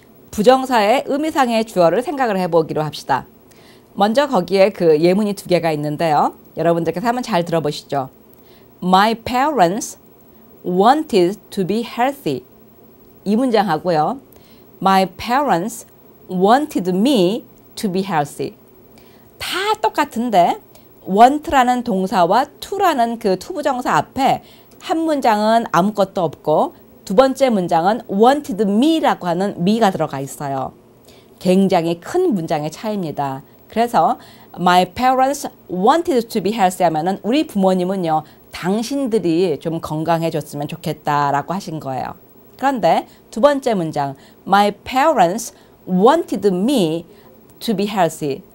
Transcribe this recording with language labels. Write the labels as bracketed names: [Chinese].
[Korean] 부정사의 의미상의 주어를 생각을 해보기로 합시다. 먼저 거기에 그 예문이 두 개가 있는데요. 여러분들께서 한번 잘 들어보시죠. [English] My parents wanted to be healthy. [Korean] 이 문장하고요. [English] My parents wanted me to be healthy. [Korean] 다 똑같은데 want라는 동사와 to라는 그 to 부정사 앞에 한 문장은 아무것도 없고 두 번째 문장은 [English] wanted me [Korean] 라고 하는 me가 들어가 있어요. 굉장히 큰 문장의 차이입니다. 그래서 [English] My parents wanted to be healthy [Korean] 하면은 우리 부모님은요 당신들이 좀 건강해졌으면 좋겠다라고 하신 거예요. 그런데 두 번째 문장 [English] My parents wanted me to be healthy.